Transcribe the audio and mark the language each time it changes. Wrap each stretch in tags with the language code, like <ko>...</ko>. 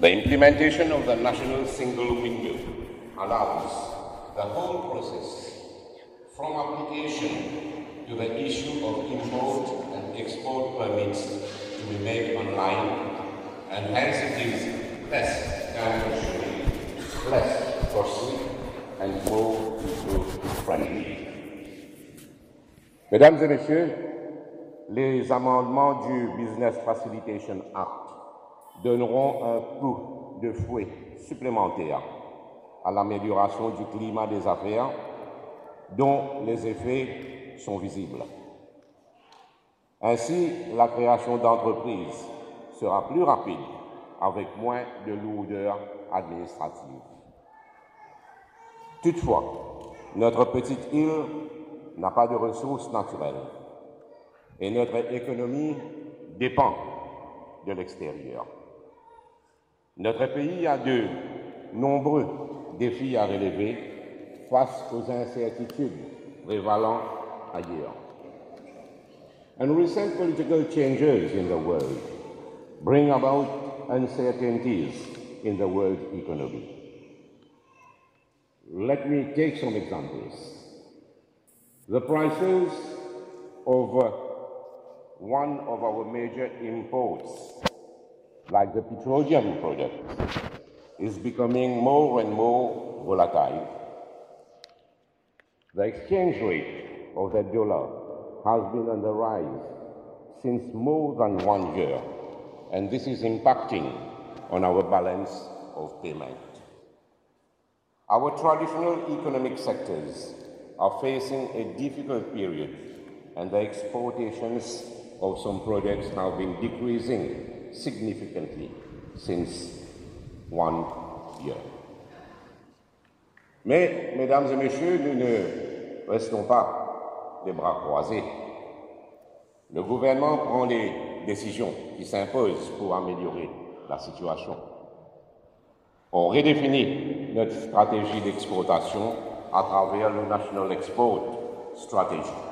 <en>The implementation of the national single window allows the whole process from application to the issue of import and export permits to be made online, and hence it is less time-consuming, less costly, and more user-friendly.</en> <fr>Mesdames et Messieurs, les amendements du Business Facilitation Act donneront un coup de fouet supplémentaire à l'amélioration du climat des affaires, dont les effets sont visibles. Ainsi, la création d'entreprises sera plus rapide avec moins de lourdeur administrative. Toutefois, notre petite île n'a pas de ressources naturelles et notre économie dépend de l'extérieur. Notre pays a de nombreux défis à relever face aux incertitudes prévalant ailleurs.</fr> <en>And recent political changes in the world bring about uncertainties in the world economy. Let me take some examples. The prices of one of our major imports, like the petroleum product, is becoming more and more volatile. The exchange rate of the dollar has been on the rise since more than 1 year, and this is impacting on our balance of payment. Our traditional economic sectors are facing a difficult period, and the exportations of some products have been decreasing significantly since 1 year.</en> <fr>Mais, mesdames et messieurs, nous ne restons pas les bras croisés. Le gouvernement prend les décisions qui s'imposent pour améliorer la situation. On redéfinit notre stratégie d'exportation à travers le National Export Strategy.</fr>